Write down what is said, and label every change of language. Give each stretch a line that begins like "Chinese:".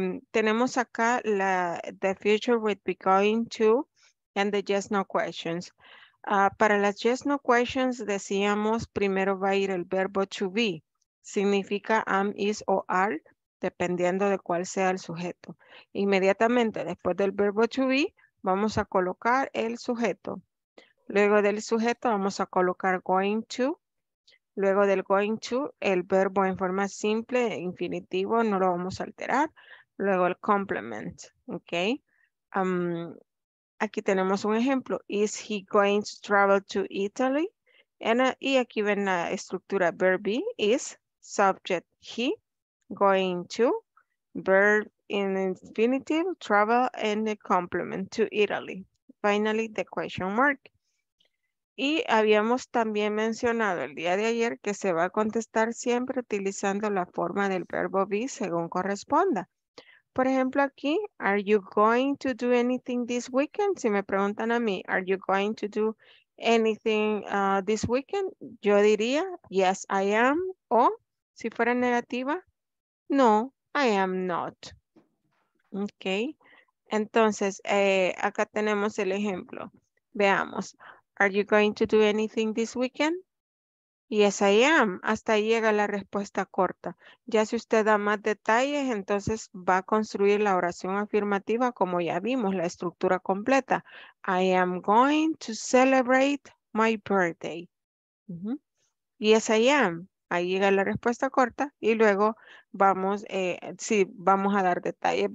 Spanish: Tenemos acá la
English: the future with be going to and the yes, no questions.
Spanish: Para las yes, no questions decíamos primero va a ir el verbo to be. Significa am, is o are, dependiendo de cuál sea el sujeto. Inmediatamente después del verbo to be, vamos a colocar el sujeto. Luego del sujeto vamos a colocar going to. Luego del going to, el verbo en forma simple, infinitivo, no lo vamos a alterar. Luego el complement, ¿ok? Aquí tenemos un ejemplo.
English: Is he going to travel to Italy?
Spanish: Y aquí ven la estructura
English: verb be, is, subject, he, going to, verb in infinitive, travel, and the complement to Italy. Finally, the question mark.
Spanish: Y habíamos también mencionado el día de ayer que se va a contestar siempre utilizando la forma del verbo be según corresponda. Por ejemplo aquí,
English: are you going to do anything this weekend?
Spanish: Si me preguntan a mí,
English: are you going to do anything this weekend?
Spanish: Yo diría,
English: yes, I am.
Spanish: O si fuera negativa,
English: no, I am not.
Spanish: Ok, entonces acá tenemos el ejemplo. Veamos.
English: Are you going to do anything this weekend? Yes, I am.
Spanish: Hasta ahí llega la respuesta corta. Ya si usted da más detalles, entonces va a construir la oración afirmativa como ya vimos, la estructura completa.
English: I am going to celebrate my birthday. Uh-huh. Yes, I am.
Spanish: Ahí llega la respuesta corta y luego vamos, sí, vamos a dar detalles.